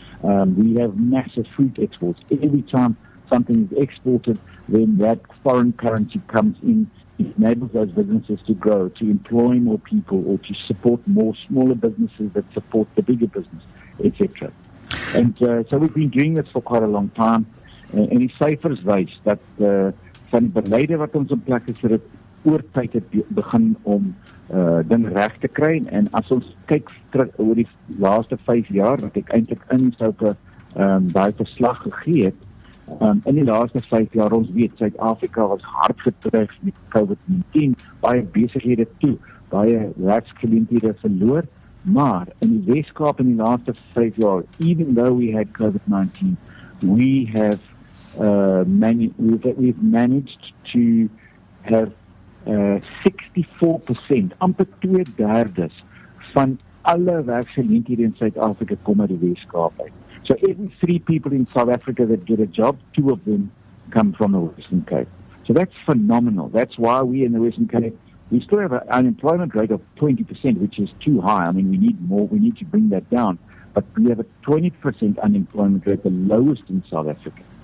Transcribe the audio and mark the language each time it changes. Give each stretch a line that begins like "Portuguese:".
English: We have massive fruit exports. Every time something is exported, then that foreign currency comes in. It enables those businesses to grow, to employ more people, or to support more smaller businesses that support the bigger business, etc. And so we've been doing this for quite a long time.
Afrikaans: En die syfers wys dat van die beleide wat ons in plek is, het oor tyd het begin om ding reg te kry. En as ons kyk terug oor die laaste 5 jaar, wat ek eintlik in sulke baie verslag gegee het, in die laaste 5 jaar, ons weet, Suid-Afrika was hard getref met COVID-19, baie besighede toe, baie werksgeleenthede verloor, maar in die Weskaap in die laaste 5 jaar,
English: even though we had COVID-19, we've managed to have 64%,
Afrikaans: amper 2/3 van alle werksgeleenthede in Suid-Afrika kom uit die Weskaap uit.
English: So every 3 people in South Africa that get a job, 2 of them come from the Western Cape. So that's phenomenal. That's why we in the Western Cape, we still have an unemployment rate of 20%, which is too high. I mean, we need more, we need to bring that down. But we have a 20% unemployment rate, the lowest in South Africa.